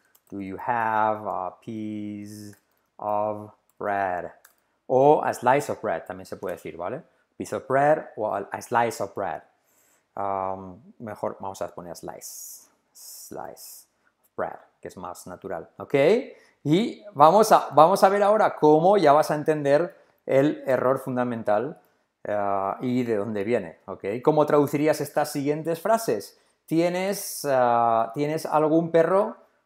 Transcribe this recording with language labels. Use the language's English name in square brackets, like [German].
[English] Do you have a piece of bread? [Spanish] O [English] a slice of bread, [Spanish] también se puede decir, ¿vale? [English] Piece of bread o a slice of bread. [Spanish] Mejor vamos a poner slice. [English] Slice of bread, [Spanish] que es más natural. ¿Ok? Y vamos a ver ahora cómo ya vas a entender el error fundamental y de dónde viene. ¿Ok? ¿Cómo traducirías estas siguientes frases? ¿Tienes algún perro?